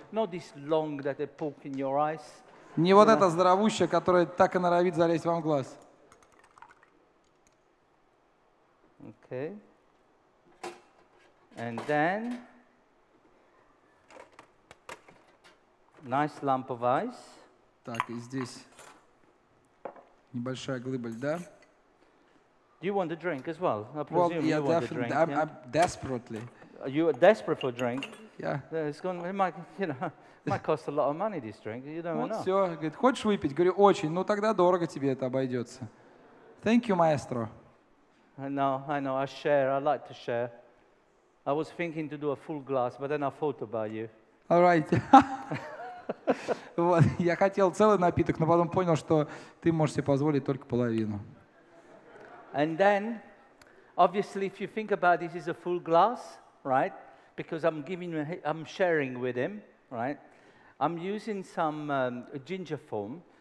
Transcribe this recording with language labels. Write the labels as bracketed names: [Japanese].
[English] Not this long that they poke in your eyes. [Russian] Не вот эта здоровущая, которая так и норовит залезть вам в глаз. [English] Okay. And then nice lump of ice. [Russian] Так, и здесь небольшая глыба льда. [English] You want a drink as well? I presume well, yeah, you want a drink. I'm, yeah? I'm desperately. Are you desperate for a drink? Yeah. It's going. It might, you know, might cost a lot of money. This drink. You don't [Russian] вот [English] know. [Russian] Все. Говорит, хочешь выпить? Говорю, очень. Ну тогда дорого тебе это обойдется. [English] Thank you, maestro. I know. I share. I like to share. I was thinking to do a full glass, but then I thought about you. All right. [Russian] Вот, я хотел целый напиток, но потом понял, что ты можешь себе позволить только половину. [English] And then, obviously, if you think about this, is a full glass, right? Because I'm sharing with him, right? I'm using some ginger foam.